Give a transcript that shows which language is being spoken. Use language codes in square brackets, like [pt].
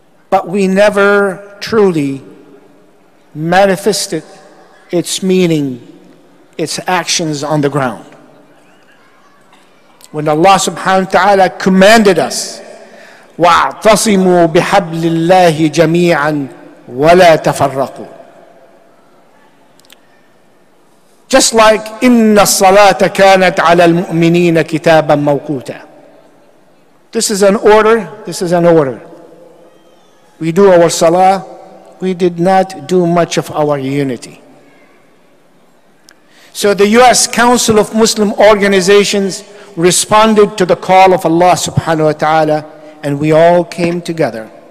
[en] But we never truly manifested its meaning, its actions on the ground. When Allah subhanahu wa ta'ala commanded us, [ar] وَاعْتَصِمُوا بِحَبْلِ اللَّهِ جَمِيعًا وَلَا تَفَرَّقُوا. [en] Just like [ar] إِنَّ الصَّلَاةَ كَانَتْ عَلَى الْمُؤْمِنِينَ كِتَابًا مَوْقُوتًا. [en] This is an order, this is an order. We do our salah, we did not do much of our unity. So the U.S. Council of Muslim Organizations responded to the call of Allah subhanahu wa ta'ala, and we all came together.